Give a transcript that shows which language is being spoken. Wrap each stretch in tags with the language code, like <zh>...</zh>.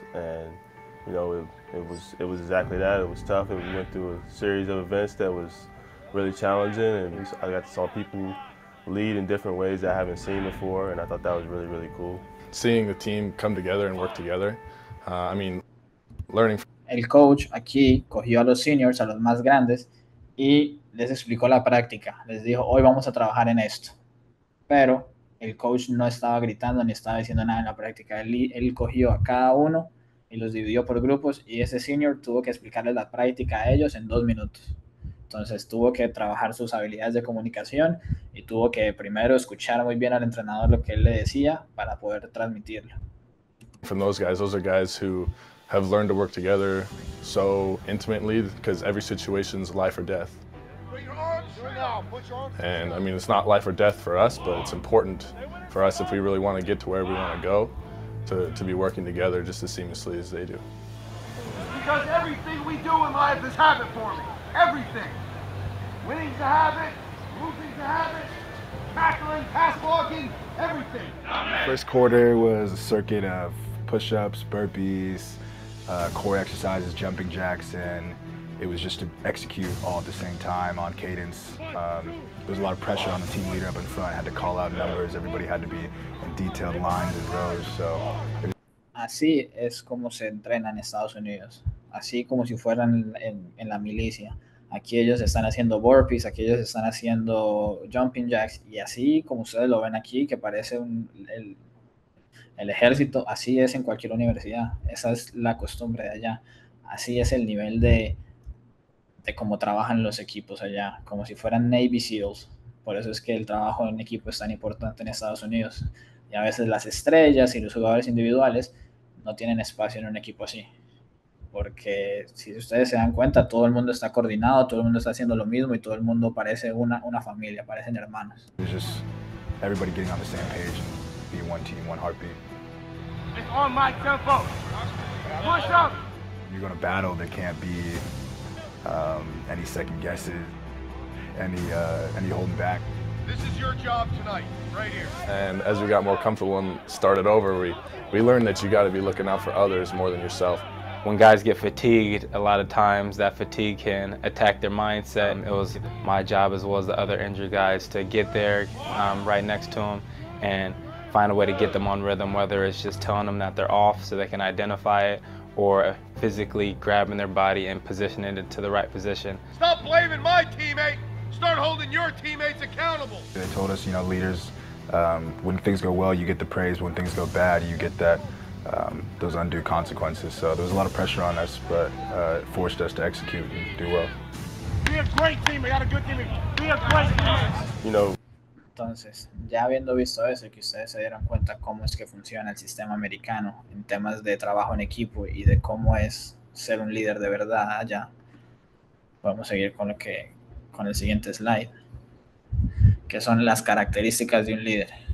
<en>And, you know, it was exactly that. It was tough. We went through a series of events that was really challenging, and I got to see people lead in different ways that I haven't seen before, and I thought that was really, really cool. Seeing the team come together and work together, I mean, learning.</en> <es>El coach aquí cogió a los seniors, a los más grandes, y les explicó la práctica. Les dijo, hoy vamos a trabajar en esto. Pero el coach no estaba gritando ni estaba diciendo nada en la práctica. Él cogió a cada uno y los dividió por grupos, y ese senior tuvo que explicarles la práctica a ellos en 2 minutos. Entonces tuvo que trabajar sus habilidades de comunicación y tuvo que primero escuchar muy bien al entrenador lo que él le decía para poder transmitirlo.</es> <en>From those are guys who have learned to work together so intimately, because every situation is life or death. And I mean, it's not life or death for us, but it's important for us if we really want to get to where we want to go, to be working together just as seamlessly as they do. Because everything we do in life is habit forming. Everything. Winning's a habit, losing's a habit, tackling, pass blocking, everything. First quarter was a circuit of push-ups, burpees, core exercises, jumping jacks, and it was just to execute all at the same time on cadence. There was a lot of pressure on the team leader up in front. I had to call out numbers. Everybody had to be in detailed lines and rows. So.</en> <es>Así es como se entrena en Estados Unidos. Así como si fueran en la milicia. Aquí ellos están haciendo burpees, aquí ellos están haciendo jumping jacks, y así como ustedes lo ven aquí, que parece el ejército, así es en cualquier universidad. Esa es la costumbre de allá. Así es el nivel de cómo trabajan los equipos allá, como si fueran Navy SEALs. Por eso es que el trabajo en equipo es tan importante en Estados Unidos. Y a veces las estrellas y los jugadores individuales no tienen espacio en un equipo así. Porque si ustedes se dan cuenta, todo el mundo está coordinado, todo el mundo está haciendo lo mismo y todo el mundo parece una familia, parecen hermanos.</es> <en>It's just everybody getting on the same page and being one team, one heartbeat. It's on my tempo. Push up. You're going to battle. There can't be any second guesses, any holding back. This is your job tonight, right here. And as we got more comfortable and started over, we learned that you got to be looking out for others more than yourself. When guys get fatigued, a lot of times that fatigue can attack their mindset. It was my job as well as the other injured guys to get there right next to them and find a way to get them on rhythm, whether it's just telling them that they're off so they can identify it, or physically grabbing their body and positioning it to the right position. Stop blaming my teammate. Start holding your teammates accountable. They told us, you know, leaders, when things go well, you get the praise. When things go bad, you get that. Those undue consequences. So there was a lot of pressure on us, but it forced us to execute and do well. Be a great team. We got a good team. Be a great team. You know.</en> <es>Entonces, ya habiendo visto eso, que ustedes se dieron cuenta cómo es que funciona el sistema americano en temas de trabajo en equipo y de cómo es ser un líder de verdad allá, podemos seguir con el siguiente slide, que son las características de un líder.</es>